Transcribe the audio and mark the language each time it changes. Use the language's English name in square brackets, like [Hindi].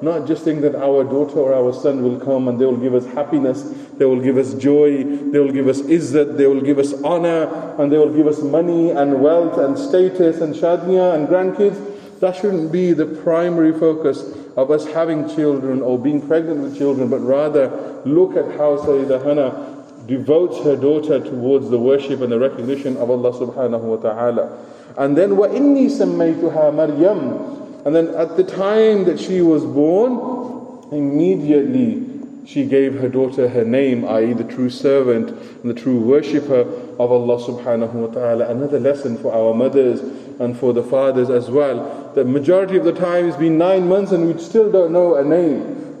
[English] Not just think that our daughter or our son will come and they will give us happiness, they will give us joy, they will give us izzat, they will give us honor, and they will give us money and wealth and status and shadniya and grandkids. That shouldn't be the primary focus of us having children or being pregnant with children, but rather look at how Sayyidah Hana devotes her daughter towards the worship and the recognition of Allah subhanahu wa ta'ala. And then [Arabic] وَإِنِّي سَمَّيْتُهَا مَرْيَمْ. [English] And then at the time that she was born, immediately she gave her daughter her name, i.e. the true servant and the true worshipper of Allah subhanahu wa ta'ala. Another lesson for our mothers and for the fathers as well. The majority of the time has been 9 months and we still don't know a name.